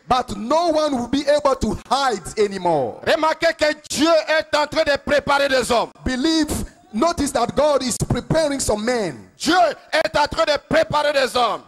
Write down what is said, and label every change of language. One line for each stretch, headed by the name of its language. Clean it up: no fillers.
English: But no one will be able to hide anymore.
French: Remarquez que Dieu est en train de préparer des hommes.
English: Believe, notice that God is preparing some men.
French: Dieu est en train de préparer des hommes.